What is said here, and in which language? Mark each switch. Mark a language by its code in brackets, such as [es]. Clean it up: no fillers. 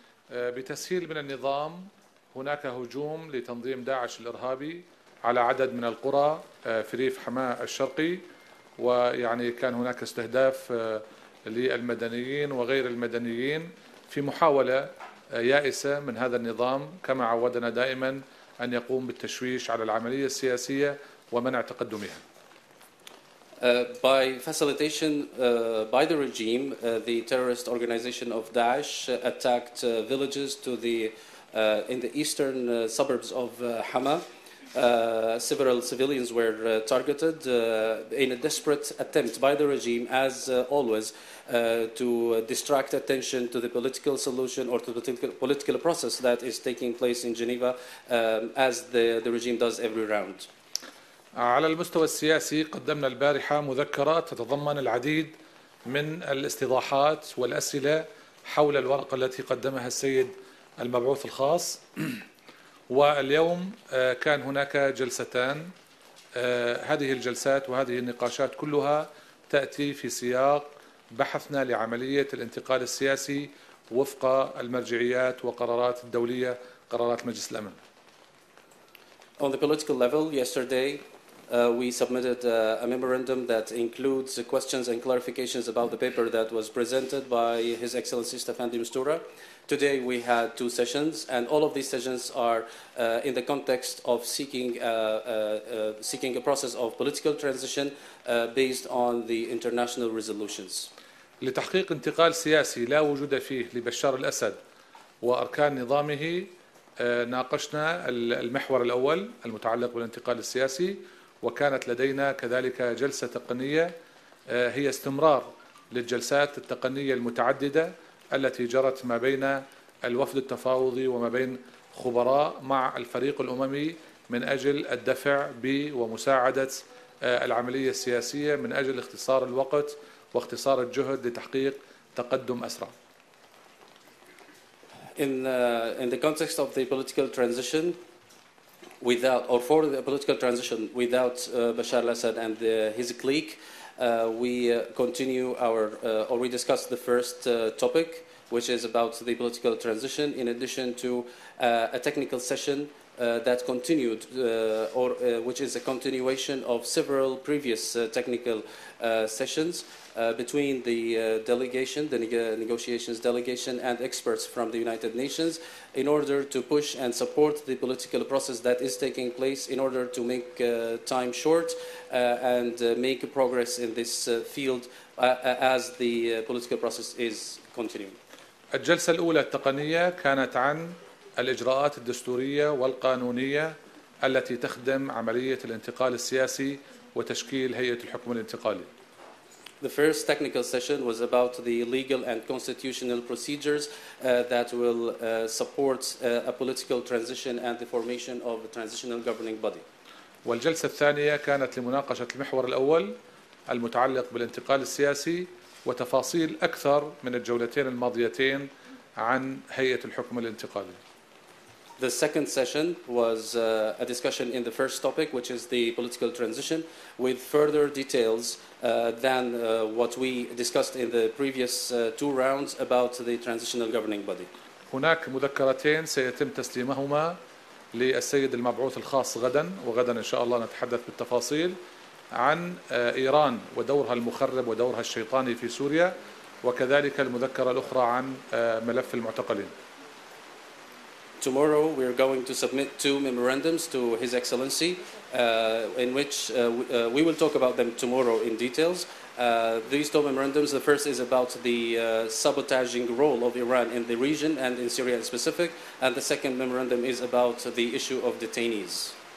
[ar] بتسهيل من النظام هناك هجوم لتنظيم داعش الإرهابي على عدد من القرى في ريف حماة الشرقي، ويعني كان هناك استهداف للمدنيين وغير المدنيين في محاولة يائسة من هذا النظام، كما عودنا دائما أن يقوم بالتشويش على العملية السياسية ومنع تقدمها. [en] By facilitation by the regime, the terrorist organization of Daesh attacked villages to the in the eastern suburbs of Hama. Several civilians were targeted in a desperate attempt by the regime, as always, to distract attention to the political solution or to the political process that is taking place in Geneva, as the regime does every round. [ar] على المستوى السياسي قدمنا البارحة مذكرة تتضمن العديد من الاستضاحات والأسئلة حول الورقة التي قدمها السيد المبعوث الخاص، واليوم كان هناك جلستان. هذه الجلسات وهذه النقاشات كلها تأتي في سياق بحثنا لعملية الانتقال السياسي وفق المرجعيات وقرارات الدولية، قرارات مجلس الأمن. [en] On the political level, yesterday we submitted a memorandum that includes questions and clarifications about the paper that was presented by His Excellency Staffan de Mistura. Today we had two sessions, and all of these sessions are in the context of seeking a process of political transition based on the international resolutions. [ar] لتحقيق انتقال سياسي لا وجود فيه لبشار الأسد وأركان نظامه ناقشنا المحور الأول المتعلق بالانتقال السياسي، وكانت لدينا كذلك جلسة تقنية هي استمرار للجلسات التقنية المتعددة التي جرت ما بين الوفد التفاوضي وما بين خبراء مع الفريق الأممي من أجل الدفع ومساعدة العملية السياسية من أجل اختصار الوقت واختصار الجهد لتحقيق تقدم أسرع. [en] In the context of the political transition, without or for the political transition without Bashar al-Assad and his clique, we continue our already discussed the first topic, which is about the political transition, in addition to a technical session that continued, which is a continuation of several previous technical sessions between the delegation, the negotiations delegation, and experts from the United Nations, in order to push and support the political process that is taking place, in order to make time short and make progress in this field as the political process is continuing. [ar] الجلسة الأولى التقنية كانت عن الإجراءات الدستورية والقانونية التي تخدم عملية الانتقال السياسي وتشكيل هيئة الحكم الانتقالي. [en] The first technical session was about the legal and constitutional procedures that will support a political transition and the formation of a transitional governing body. [ar] والجلسة الثانية كانت لمناقشة المحور الأول المتعلق بالانتقال السياسي وتفاصيل أكثر من الجولتين الماضيتين عن هيئة الحكم الانتقالي. [en] The second session was a discussion in the first topic, which is the political transition, with further details than what we discussed in the previous two rounds about the transitional governing body. [ar] هناك مذكرتين سيتم تسليمهما للسيد المبعوث الخاص غدا، وغدا إن شاء الله نتحدث بالتفاصيل عن إيران ودورها المخرب ودورها الشيطاني في سوريا، وكذلك المذكرة الأخرى عن ملف المعتقلين. [en] Tomorrow we are going to submit two memorandums to His Excellency, in which we will talk about them tomorrow in details. These two memorandums, the first is about the sabotaging role of Iran in the region and in Syria in specific, and the second memorandum is about the issue of detainees.